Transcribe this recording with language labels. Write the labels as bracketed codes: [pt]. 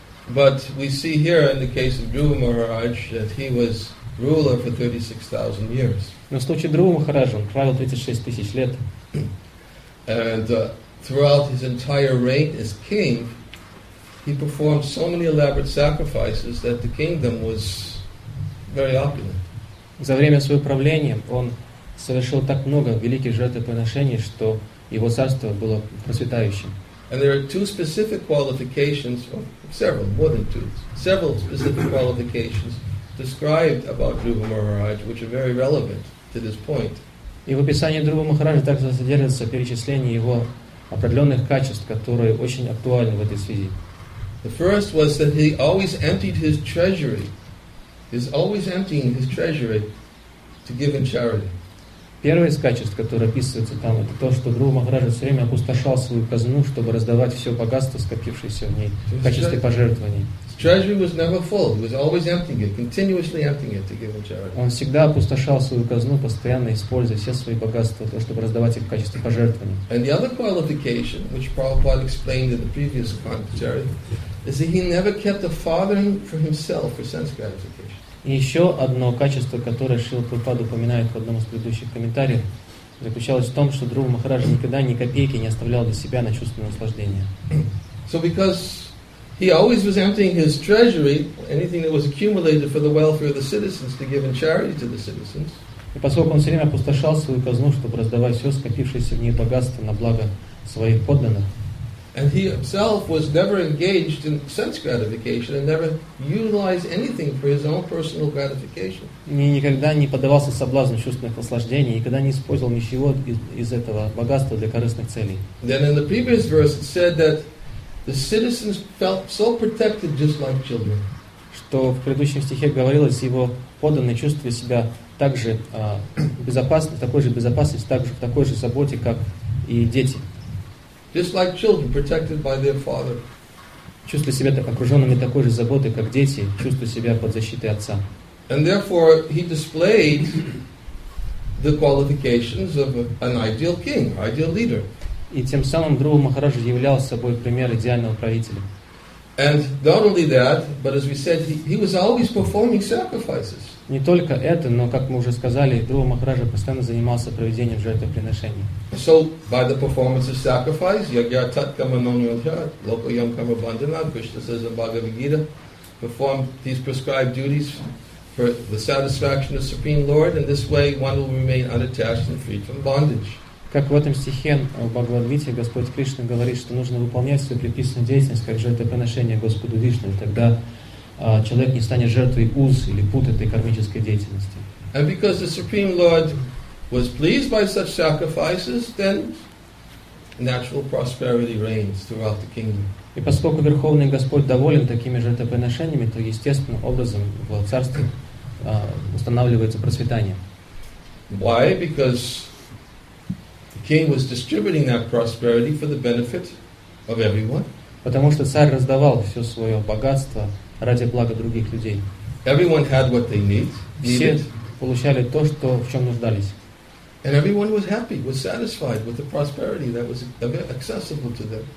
[en] But we see here in the case of Dhruva Maharaj that he was ruler for 36,000 years. [ru] Но в случае Дхрува Махараджа он правил 36 тысяч лет. [en] And throughout his entire reign as king, he performed so many elaborate sacrifices that the kingdom was very opulent. [ru] За время своего правления он совершил так много великих жертвоприношений, что его царство было процветающим. [en] And there are two specific qualifications, or several, more than two, several specific qualifications described about Dhruva Maharaj, which are very relevant to this point. [ru] И в описании Дхрувы Махараджа также содержится перечисление его определенных качеств, которые очень актуальны в этой связи. [en] The first was that he always emptied his treasury. He's always emptying his treasury to give in charity. [ru] Первое из качеств, которое описывается там, это то, что Дхрува Махараджа все время опустошал свою казну, чтобы раздавать все богатство, скопившееся в ней, в качестве пожертвований. [en] Treasury was never full. He was always emptying it, continuously emptying it to give in charity. [ru] Он всегда опустошал свою казну, постоянно используя все свои богатства, то, чтобы раздавать их в качестве пожертвований. [en] And the other qualification, which Prabhupada explained in the previous commentary, is that he never kept a farthing for himself for sense gratification. [ru] И еще одно качество, которое Шрила Прабхупада упоминает в одном из предыдущих комментариев, заключалось в том, что Дхрува Махараджа никогда ни копейки не оставлял для себя на чувственное наслаждение. [en] So because he always was emptying his treasury, anything that was accumulated for the welfare of the citizens, to give in charity to the citizens. [ru] И поскольку он все время опустошал свою казну, чтобы раздавать все скопившееся в ней богатство на благо своих подданных. [en] And he himself was never engaged in sense gratification and never utilized anything for his own personal gratification. [ru] И никогда не поддавался соблазну чувственных наслаждений, никогда не использовал ничего из этого богатства для корыстных целей. [en] Then in the previous verse it said that the citizens felt so protected just like children. [ru] Что в предыдущем стихе говорилось, его подданные чувствовали себя так же безопасно, в такой же безопасности, так же, в такой же заботе, как и дети. [en] Just like children, protected by their father. [ru] Чувствуя себя окруженными такой же заботой, как дети, чувствуя себя под защитой отца. [en] And therefore, he displayed the qualifications of an ideal king, ideal leader. [ru] И тем самым Дхрува Махараджа являл собой пример идеального правителя. [en] And not only that, but as we said, he was always performing sacrifices. [ru] Не только это, но, как мы уже сказали, Дхрува Махараджа постоянно занимался проведением жертвоприношений. [en] So, by the performance of sacrifice, [sa] yagya tat kama nonyolhya, loko yam kama bandana, [en] Krishna says in Bhagavad Gita, perform these prescribed duties for the satisfaction of the Supreme Lord, and this way one will remain unattached and free from bondage. [ru] Как в этом стихе в Бхагавад-гите Господь Кришна говорит, что нужно выполнять свою предписанную деятельность как жертвоприношение Господу Вишну, и тогда человек не станет жертвой уз или пут этой кармической деятельности. [en] And because the Supreme Lord was pleased by such sacrifices, then natural prosperity reigns throughout the kingdom. [ru] И поскольку Верховный Господь доволен такими жертвоприношениями, то естественным образом в царстве устанавливается процветание. [en] Why? Because King was distributing that prosperity for the benefit of everyone. [ru] Потому что царь раздавал все свое богатство ради блага других людей. [en] Everyone had what they needed. [ru] Все получали то, что в чем нуждались. [en] And everyone was happy, was satisfied with the prosperity that was accessible to them.